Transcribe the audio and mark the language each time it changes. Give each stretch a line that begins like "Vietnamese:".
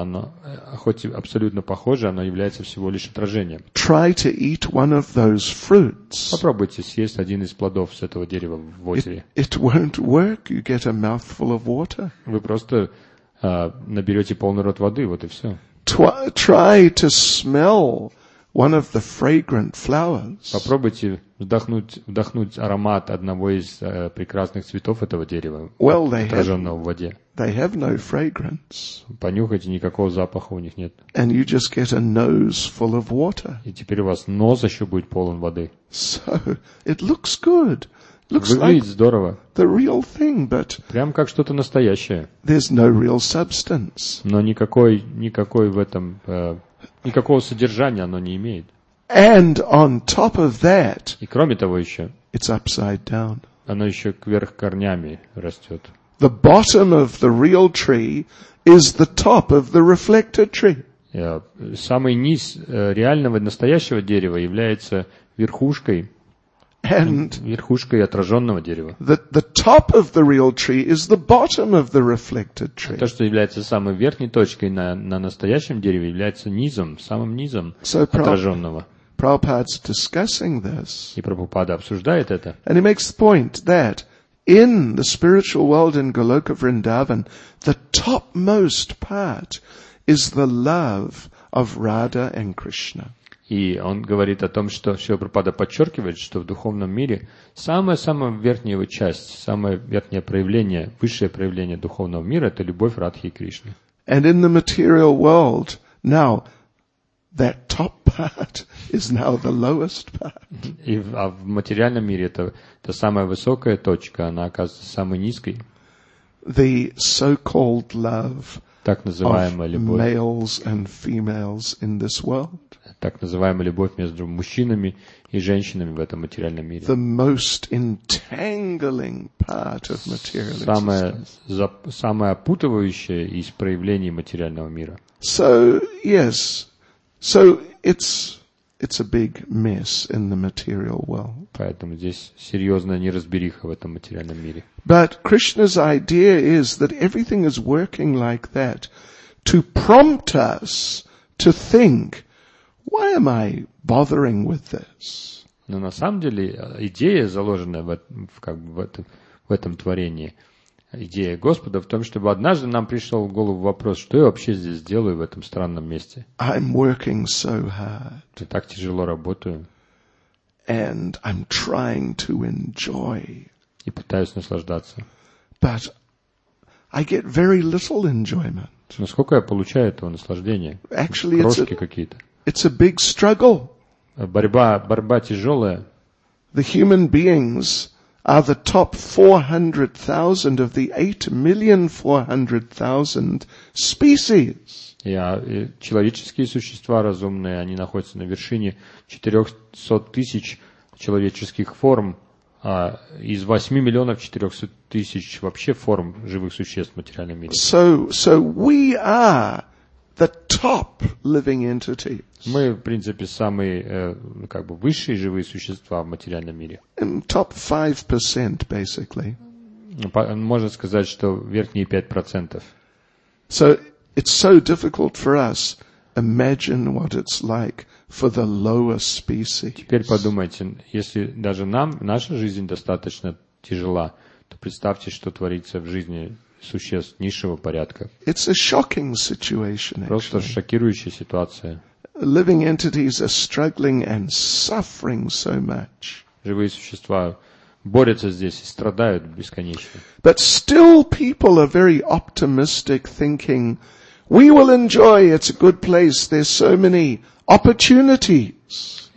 Russian: Оно, хоть и абсолютно похоже, оно является всего лишь отражением.
English: Try to eat one of those fruits.
Russian: Попробуйте съесть один из плодов с этого дерева в озере.
English: It won't work. You get a mouthful of water.
Russian: Вы просто наберете полный рот воды, вот и все.
English: Try to smell one of the fragrant flowers.
Russian: Попробуйте вдохнуть аромат одного из прекрасных цветов этого дерева, отраженного в воде.
English: They have no fragrance.
Russian: Понюхайте, никакого запаха у них нет.
English: And you just get a nose full of water.
Russian: И теперь у вас нос еще будет полон воды.
English: So it looks good. Looks
Russian: выглядит
English: like
Russian: здорово.
English: The real thing, but
Russian: прям как что-то настоящее.
English: There's no real substance.
Russian: Но никакой в этом никакого содержания оно не имеет.
English: And on top of that,
Russian: и кроме того еще,
English: it's upside down.
Russian: Оно еще кверх корнями растет.
English: The bottom of the real tree is the top of the reflected tree.
Russian: Самый низ реального настоящего дерева является верхушкой отраженного дерева.
English: The top of the real tree is the bottom of the reflected tree.
Russian: То, что является самой верхней точкой на настоящем дереве, является низом, самым низом отраженного.
English: Prabhupada's discussing this.
Russian: И Прабхупада обсуждает это.
English: And he makes the point that in the spiritual world in Goloka Vrindavan, the topmost part is the love of Radha and Krishna.
Russian: И он говорит о том, что Шрила Прабхупада подчеркивает, что в духовном мире самая-самая верхняя его часть, самое верхнее проявление, высшее проявление духовного мира – это любовь Радхи и Кришны.
English: And in the material world, now, that top part is now the lowest part.
Russian: И в материальном мире это самая высокая точка, она оказывается самой низкой.
English: The so-called love
Russian: так называемая
English: of
Russian: любовь.
English: Males and females in this world.
Russian: Так называемая любовь между мужчинами и женщинами в этом материальном мире.
English: The most entangling part of material existence.
Russian: Самое опутывающее из проявлений материального мира.
English: So, yes. So it's a big mess in the material world.
Russian: Поэтому здесь серьезная неразбериха в этом материальном мире.
English: But Krishna's idea is that everything is working like that to prompt us to think, why am I bothering with this?
Russian: Но на самом деле идея, заложенная в этом творении, идея Господа в том, чтобы однажды нам пришел в голову вопрос, что я вообще здесь делаю в этом странном месте.
English: I'm working so hard.
Russian: Я так тяжело работаю.
English: And I'm trying to enjoy.
Russian: И пытаюсь наслаждаться.
English: But I get very little enjoyment.
Russian: Но сколько я получаю этого наслаждения?
English: Actually,
Russian: крошки какие-то.
English: It's a big struggle.
Russian: Борьба тяжелая.
English: The human beings are the top 400,000 of the 8,400,000 species.
Russian: Человеческие существа разумные, они находятся на вершине 400 тысяч человеческих форм, из 8 миллионов 400 тысяч вообще форм живых существ в материальном мире.
English: So we are the top living entities.
Russian: Мы, в принципе, самые высшие живые существа в материальном мире.
English: Top 5%, basically.
Russian: Можно сказать, что верхние 5%.
English: So it's so difficult for us. Imagine what it's like for the lower species.
Russian: Теперь подумайте, если даже нам наша жизнь достаточно тяжела, то представьте, что творится в жизни существ низшего порядка.
English: It's a shocking situation, actually.
Russian: Просто шокирующая ситуация.
English: Living entities are struggling and suffering so much.
Russian: Живые существа борются здесь и страдают бесконечно.
English: But still people are very optimistic, thinking we will enjoy, it's a good place, there's so many opportunities.